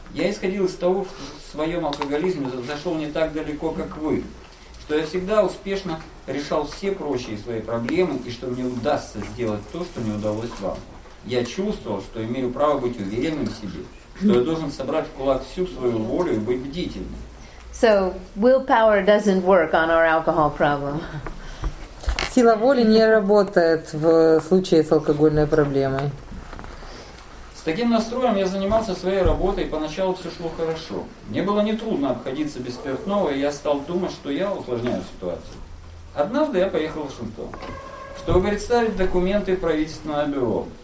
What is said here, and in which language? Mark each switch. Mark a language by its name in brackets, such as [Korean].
[Russian] Я исходил из того, что в своем алкоголизме зашел не так далеко, как вы, что я всегда успешно решал все прочие свои проблемы и что мне удастся сделать то, что не удалось вам. Я чувствовал, что имею право быть уверенным в себе, что я должен собрать в кулак всю свою волю и быть бдительным. [English] So willpower doesn't work on our alcohol problem. [Russian] Сила воли не работает в случае с алкогольной проблемой. С таким настроем я занимался своей работой, и поначалу все шло хорошо. Мне было нетрудно обходиться без спиртного, и я стал думать, что я усложняю ситуацию. Однажды я поехал в Вашингтон, чтобы представить документы правительственного бюро.